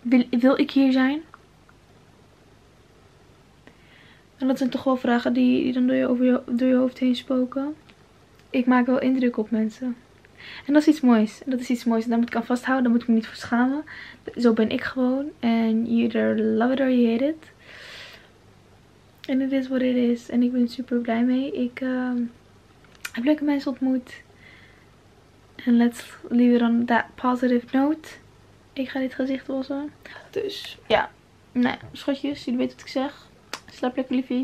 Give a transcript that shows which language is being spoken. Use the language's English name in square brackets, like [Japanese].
[Dutch] Wil ik hier zijn? En dat zijn toch wel vragen die dan door je hoofd heen spoken. Ik maak wel indruk op mensen. En dat is iets moois. En dat is iets moois. En daar moet ik aan vasthouden. Daar moet ik me niet voor schamen. Zo ben ik gewoon. [English] En you either love it or you hate it. And it is what it is. [Dutch] En ik ben super blij mee. Ik heb leuke mensen ontmoet. [English] And let's leave it on that positive note. [Dutch] Ik ga dit gezicht wassen. Dus ja. Nee, schatjes. Jullie weten wat ik zeg. Slaap lekker liefjes.